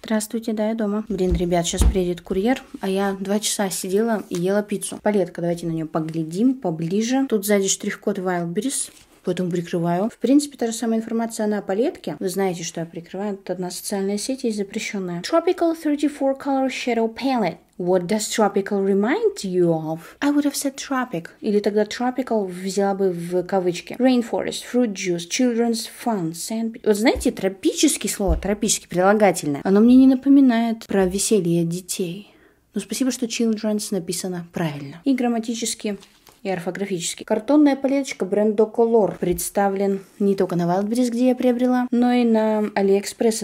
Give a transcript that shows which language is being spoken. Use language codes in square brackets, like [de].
[ru] Здравствуйте, да, я дома. Блин, ребят, сейчас приедет курьер, а я 2 часа сидела и ела пиццу. Палетка, давайте на неё поглядим поближе. Тут сзади штрих-код Wildberries. Поэтому прикрываю. В принципе, та же самая информация на палетке. Вы знаете, что я прикрываю. Это одна социальная сеть, есть запрещенная. [en] Tropical 34 Color Shadow Palette. What does tropical remind you of? I would have said tropic. [ru] Или тогда tropical взяла бы в кавычки. [en] Rainforest, fruit juice, children's fun, sand... [ru] Вот знаете, тропический слово, тропический, прилагательное. Оно мне не напоминает про веселье детей. Но спасибо, что children's написано правильно. И грамматически... И орфографически. Картонная палеточка бренда Color представлен не только на Wildberries, где я приобрела, но и на AliExpress.